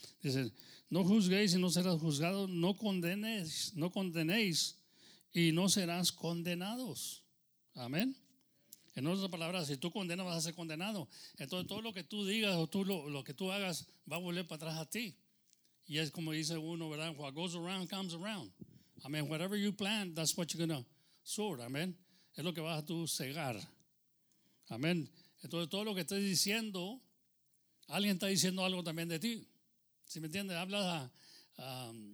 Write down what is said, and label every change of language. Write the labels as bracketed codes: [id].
[es] Dice, no juzguéis y no serás juzgados. No condenéis. Y no serás condenados. Amén. En otras palabras, si tú condenas, vas a ser condenado. Entonces, todo lo que tú digas o tú lo que tú hagas va a volver para atrás a ti. Y es como dice uno, ¿verdad? [en] What goes around, comes around. I mean, whatever you plant, that's what you're going to sow. [es] Amén. Es lo que vas a tú segar. Amén. Entonces, todo lo que estés diciendo, alguien está diciendo algo también de ti. ¿Sí me entiendes? Hablas a...